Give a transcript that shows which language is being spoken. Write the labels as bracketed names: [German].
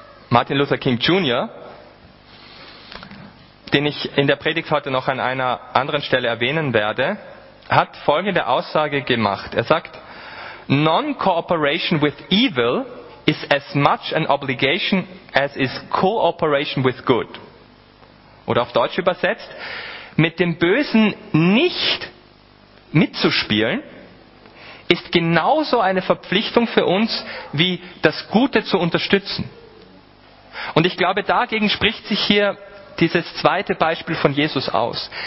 [German] Martin Luther King Jr., den ich in der Predigt heute noch an einer anderen Stelle erwähnen werde, hat folgende Aussage gemacht. Er sagt, [English] "Non-cooperation with evil is as much an obligation as is cooperation with good." [German] Oder auf Deutsch übersetzt, mit dem Bösen nicht mitzuspielen, ist genauso eine Verpflichtung für uns, wie das Gute zu unterstützen. Und ich glaube, dagegen spricht sich hier dieses zweite Beispiel von Jesus aus.